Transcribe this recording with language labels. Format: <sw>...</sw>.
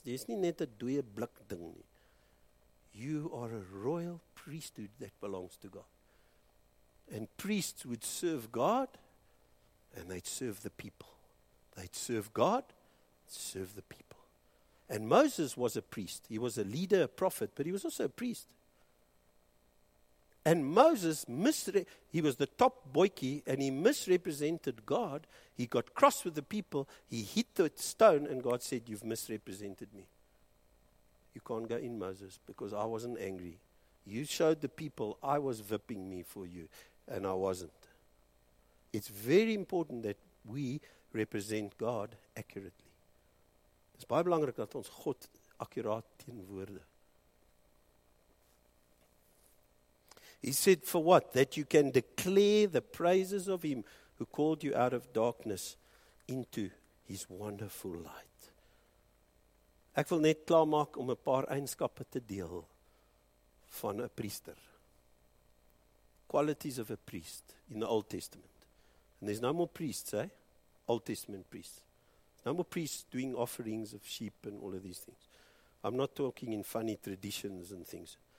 <af>Dis nie net 'n dooie blik ding nie.</af> <en>You are a royal priesthood that belongs to God. And priests would serve God and they'd serve the people. They'd serve God, serve the people. And Moses was a priest. He was a leader, a prophet, but he was also a priest. And Moses, he was the top boykie and he misrepresented God. He got cross with the people. He hit the stone and God said, you've misrepresented me. You can't go in, Moses, because I wasn't angry. You showed the people I was whipping me for you, and I wasn't. It's very important that we represent God accurately.</en> <af>Dis baie belangrik dat ons God akkuraat teenwoorde.</af> <en>He said, for what? That you can declare the praises of him who called you out of darkness into his wonderful light.</en> <af>Ek wil net klaarmaak om 'n paar eienskappe te deel. Van a priester.</af> <en>Qualities of a priest in the Old Testament. And there's no more priests, eh? Old Testament priests. No more priests doing offerings of sheep and all of these things. I'm not talking in funny traditions and things.</en>